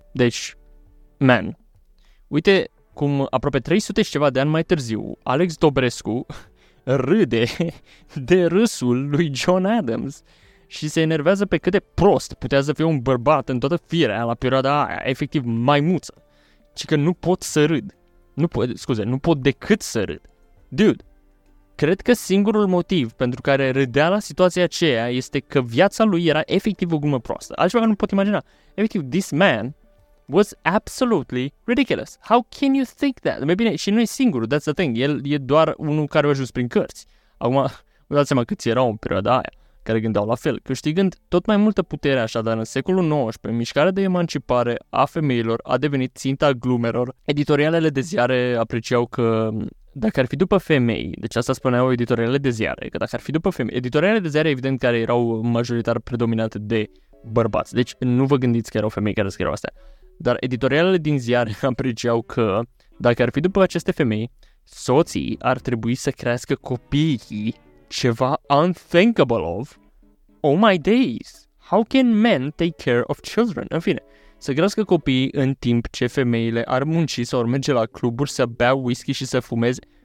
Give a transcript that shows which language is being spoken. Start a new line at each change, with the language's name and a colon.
Romanian: Deci, man. Uite cum aproape 300 și ceva de ani mai târziu, Alex Dobrescu râde de râsul lui John Adams și se enervează pe cât de prost putea să fie un bărbat în toată firea la perioada aia, efectiv maimuță, ci că nu pot să râd, nu pot decât să râd. Dude, cred că singurul motiv pentru care râdea la situația aceea este că viața lui era efectiv o glumă proastă. Altceva că nu pot imagina.
English: Efectiv, this man was absolutely ridiculous. How can you think that?
Romanian: Mai bine, și nu e singurul,
English: that's the thing.
Romanian: El e doar unul care a ajuns prin cărți. Acum, vă dați seama câți erau în perioada aia, care gândeau la fel, câștigând tot mai multă putere așadar în secolul XIX, mișcarea de emancipare a femeilor a devenit ținta glumelor. Editorialele de ziare apreciau că dacă ar fi după femei, deci asta spuneau editorialele de ziare, că dacă ar fi după femei, editorialele de ziare evident care erau majoritar predominate de bărbați, deci nu vă gândiți că erau femei care scriau astea, dar editorialele din ziare apreciau că dacă ar fi după aceste femei, soții ar trebui să crească copiii.
English: Ceva unthinkable of, oh my days, how can men take care of children?
Romanian: În fine, să crească copiii în timp ce femeile ar munci sau ar merge la cluburi să bea whisky și să fumeze.